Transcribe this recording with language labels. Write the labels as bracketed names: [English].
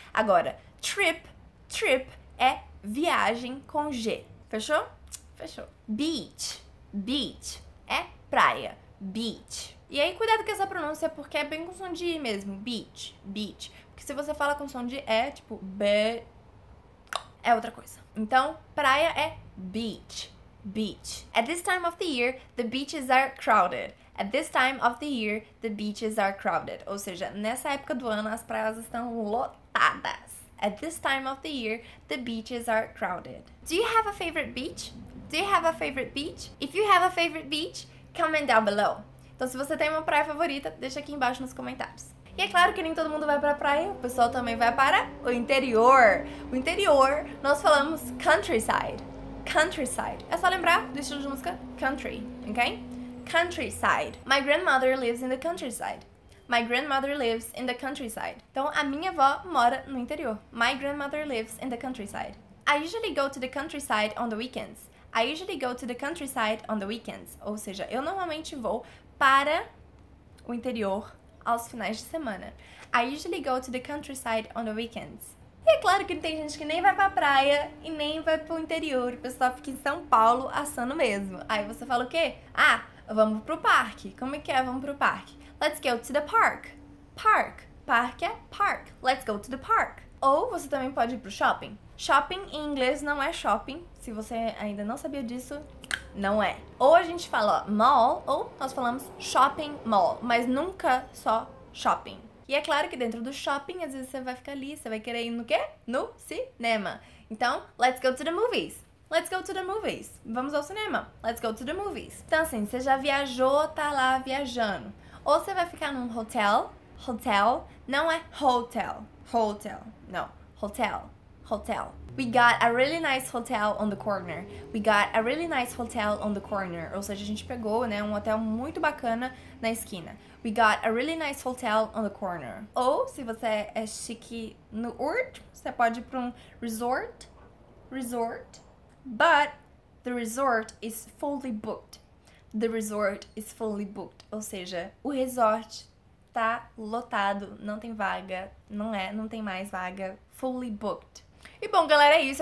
[Portuguese] Agora, trip, trip é viagem com G. Fechou? Fechou. Beach. Beach é praia. Beach. E aí, cuidado com essa pronúncia, porque é bem com som de I mesmo. Beach, beach. Porque se você fala com som de E, tipo, B, é outra coisa. Então, praia é beach, beach. [English] At this time of the year, the beaches are crowded. At this time of the year, the beaches are crowded. [Portuguese] Ou seja, nessa época do ano, as praias estão lotadas. [English] At this time of the year, the beaches are crowded. Do you have a favorite beach? Do you have a favorite beach? If you have a favorite beach, comment down below. [Portuguese] Então, se você tem uma praia favorita, deixa aqui embaixo nos comentários. E é claro que nem todo mundo vai pra praia, o pessoal também vai para o interior. O interior, nós falamos countryside. Countryside. É só lembrar do estilo de música country, ok? [English] Countryside. My grandmother lives in the countryside. My grandmother lives in the countryside. [Portuguese] Então, a minha avó mora no interior. [English] My grandmother lives in the countryside. I usually go to the countryside on the weekends. I usually go to the countryside on the weekends. [Portuguese] Ou seja, eu normalmente vou para o interior aos finais de semana. [English] I usually go to the countryside on the weekends. [Portuguese] E é claro que tem gente que nem vai pra praia e nem vai pro interior. O pessoal fica em São Paulo assando mesmo. Aí você fala o quê? Ah, vamos pro parque. Como é que é? Vamos pro parque. [English] Let's go to the park. Park. [Portuguese] Parque é park. [English] Let's go to the park. [Portuguese] Ou você também pode ir pro shopping. Shopping em inglês não é shopping. Se você ainda não sabia disso, não é. Ou a gente fala mall, ou nós falamos shopping mall. Mas nunca só shopping. E é claro que dentro do shopping, às vezes você vai ficar ali, você vai querer ir no quê? [English] No cinema. Então, let's go to the movies. Let's go to the movies. [Portuguese] Vamos ao cinema. [English] Let's go to the movies. [Portuguese] Então assim, você já viajou, tá lá viajando. Ou você vai ficar num hotel. Hotel. Não é hotel. Hotel. Não. Hotel. Hotel. [English] We got a really nice hotel on the corner. We got a really nice hotel on the corner. [Portuguese] Ou seja, a gente pegou, né, um hotel muito bacana na esquina. [English] We got a really nice hotel on the corner. [Portuguese] Ou, se você é chique no urt, você pode ir para um resort. Resort. [English] But the resort is fully booked. The resort is fully booked. [Portuguese] Ou seja, o resort tá lotado, não tem vaga, não tem mais vaga. [English] Fully booked. [Portuguese] E bom, galera, é isso.